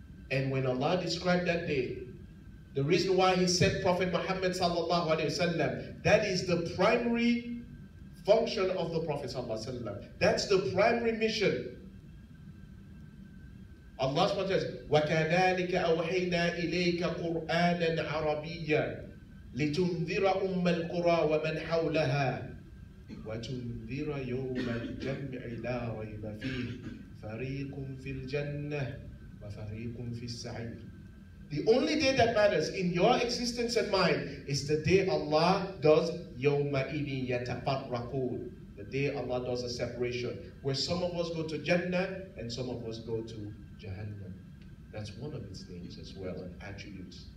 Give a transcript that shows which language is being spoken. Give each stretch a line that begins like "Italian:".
English: And when Allah described that day, the reason why He sent Prophet Muhammad sallallahu alaihi wasallam, that is the primary function of the Prophet sallallahu alaihi wasallam. That's the primary mission.
Arabic: Allah subhanahu wa ta'ala says, وَكَذَلِكَ أَوْحَيْنَا إِلَيْكَ قُرْآنًا عَرَبِيًّا لتنذر أم القرى ومن حولها وتنذر يوم الجمع لا ريب فيه فريق في الجنة وفريق في السعير.
English: The only day that matters in your existence and mine is the day Allah does يَوْمَ إِنِ يَتَفَرَّقُونَ, the day Allah does a separation, where some of us go to Jannah and some of us go to Jahannam. That's one of its names as well, an attribute.